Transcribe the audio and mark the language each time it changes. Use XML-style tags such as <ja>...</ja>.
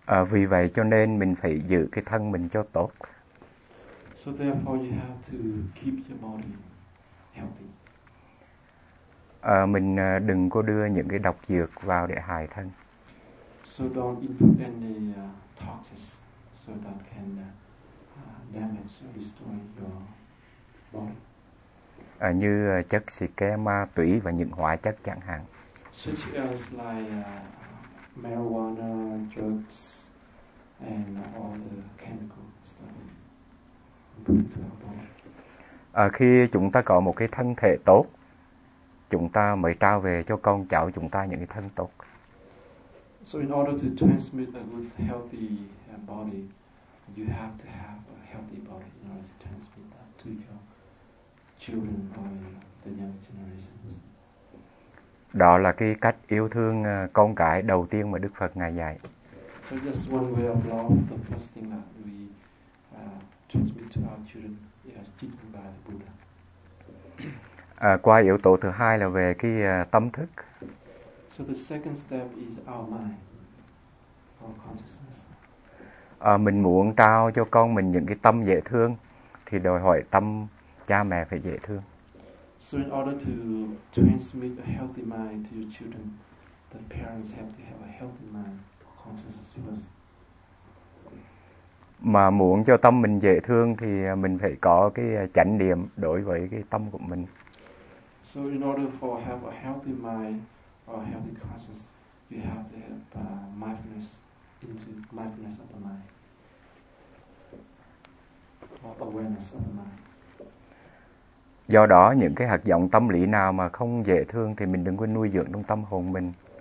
<vi>Vì vậy cho nên mình phải giữ cái thân mình cho tốt.</vi> <en>So therefore you have to keep your body healthy.</en> <vi>Mình đừng có đưa những cái độc dược vào để hại thân.</vi> <en>So don't input any toxins so that can damage or destroy your body.</en> <vi>Như chất xì ke, ma túy và những hóa chất chẳng hạn.</vi> <en>Such as like marijuana, drugs, and all the chemical stuff.</en> <vi>Khi chúng ta có một cái thân thể tốt, chúng ta mới trao về cho con cháu chúng ta những cái thân tốt.</vi> <en>So in order to transmit a good healthy body, you have to have a healthy body in order to transmit that to your children or the young generations.</en> <vi>Đó là cái cách yêu thương con cái đầu tiên mà Đức Phật Ngài dạy.</vi> <en>So just one way of love, the first thing that we transmit to our children is teaching by the Buddha.</en> <vi>Qua yếu tố thứ hai là về cái tâm thức.</vi> <en>So the second step is our mind, our consciousness.</en> <vi>Mình muốn trao cho con mình những cái tâm dễ thương thì đòi hỏi tâm cha mẹ phải dễ thương.</vi> <en>So in order to transmit a healthy mind to your children, the parents have to have a healthy mind, consciousness.</en> <vi>Mà muốn cho tâm mình dễ thương thì mình phải có cái chánh niệm đối với cái tâm của mình.</vi> <en>So in order for have a healthy mind or healthy conscious, you have to have mindfulness into mindfulness of the mind or awareness of the mind.</en> <vi>Do đó những cái hạt giống tâm lý nào mà không dễ thương thì mình đừng có nuôi dưỡng trong tâm hồn mình.</vi>